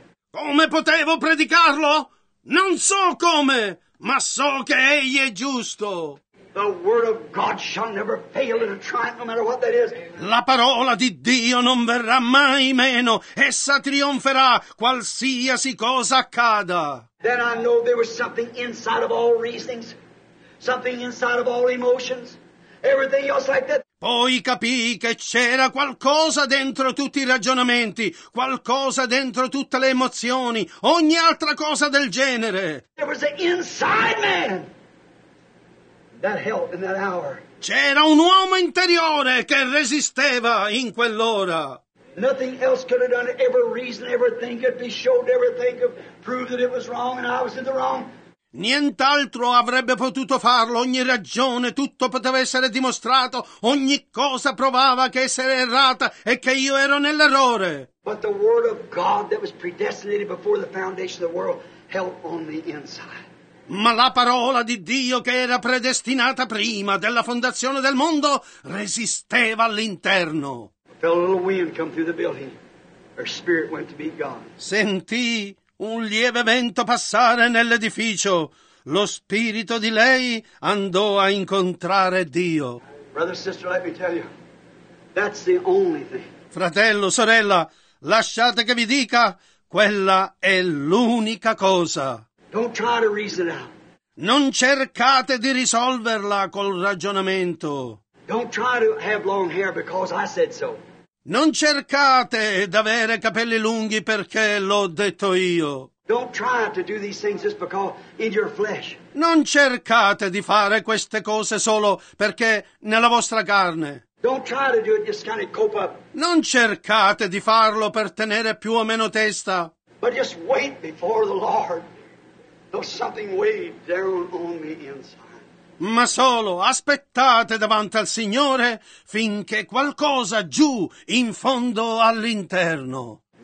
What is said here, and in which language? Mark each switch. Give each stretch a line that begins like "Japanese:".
Italian: Come potevo predicarlo? Non so come, ma so che egli è giusto.
English: The word of God shall never fail in a triumph, no matter what that is.
Italian: La parola di Dio non verrà mai meno. Essa trionferà qualsiasi cosa accada.
English: Then I know there was something inside of all reasonings, something inside of all emotions. Everything else like that.
Italian: Poi capii che c'era qualcosa dentro tutti i ragionamenti, qualcosa dentro tutte le emozioni, ogni altra cosa del genere.
English: There was an inside man that held in that hour.
Italian: C'era un uomo interiore che resisteva in quell'ora.
English: Nothing else could have done it. Every reason, everything could be showed, everything could prove that it was wrong and I was in the wrong.
Italian: Nient'altro avrebbe potuto farlo, ogni ragione, tutto poteva essere dimostrato, ogni cosa provava che essere errata e che io ero nell'errore.
English: But the word of God that was predestinated before the foundation of the world held on the inside.
Italian: Ma la parola di Dio che era predestinata prima della fondazione del mondo resisteva all'interno.
English: I felt a little wind come through the building. Her spirit went to meet God.
Italian: Sentì un lieve vento passare nell'edificio. Lo spirito di lei andò a incontrare Dio.
English: Brother, sister, let me tell you, that's the only thing.
Italian: Fratello, sorella, lasciate che vi dica, quella è l'unica cosa.
English: Don't try to reason out.
Italian: Non cercate di risolverla col ragionamento.
English: Don't try to have long hair because I said so.
Italian: Non cercate d'avere capelli lunghi perché l'ho detto io.
English: Don't try to do these things just because in your flesh.
Italian: Non cercate di fare queste cose solo perché nella vostra carne.
English: Don't try to do it just kind of cope up.
Italian: Non cercate di farlo per tenere più o meno testa.
English: But just wait before the Lord. There's something weighed down on me inside.
Italian: Ma solo aspettate davanti al Signore finché qualcosa giù in fondo all'interno.